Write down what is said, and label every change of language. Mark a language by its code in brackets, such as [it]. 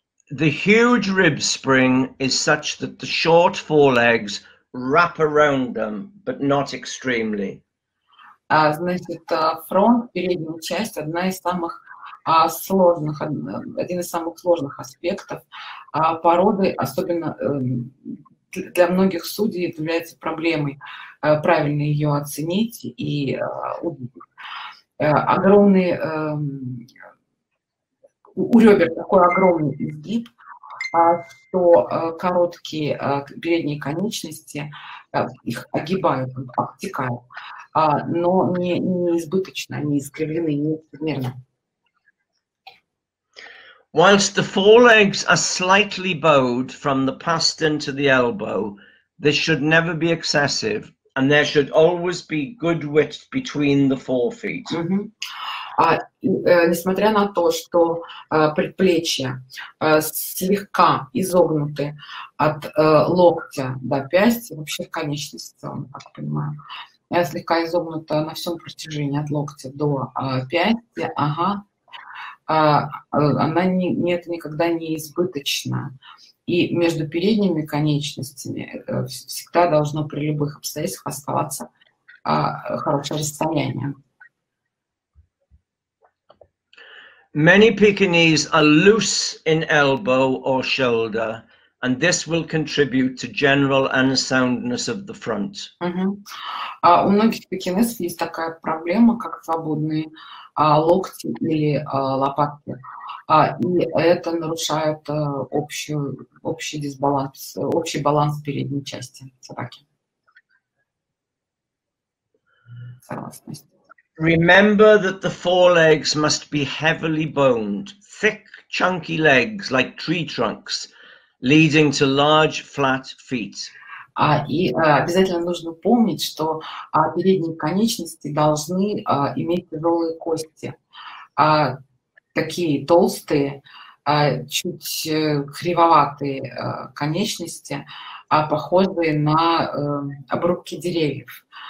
[en] The huge rib spring is such that the short forelegs wrap around them, but not extremely. [ru] Значит, фронт, передняя часть, один из самых сложных аспектов породы, особенно для многих судей является проблемой правильно ее оценить и огромный у ребер такой огромный изгиб, что короткие передние конечности их огибают, обтекают, но не избыточно, они искривлены, не примерно. [en] Whilst the forelegs are slightly bowed from the pastern to the elbow, this should never be excessive, and there should always be good width between the forefeet. [ru] Несмотря на то, что предплечья слегка изогнуты от локтя до пястья, вообще конечность в целом, так понимаю, слегка изогнута на всем протяжении от локтя до пястья, ага. Она нет никогда не избыточна. И между передними конечностями всегда должно при любых обстоятельствах оставаться хорошее расстояние. [en] Many Pekinese are loose in elbow or shoulder, and this will contribute to general unsoundness of the front. [ru] У многих пекинесов есть такая проблема, как свободные локти или лопатки. И это нарушает общий баланс передней части собаки. [en] Remember that the forelegs must be heavily boned, thick, chunky legs, like tree trunks, leading to large, flat feet. [ru] Обязательно нужно помнить, что передние конечности должны иметь тяжелые кости. Такие толстые, чуть кривоватые конечности, похожие на обрубки деревьев.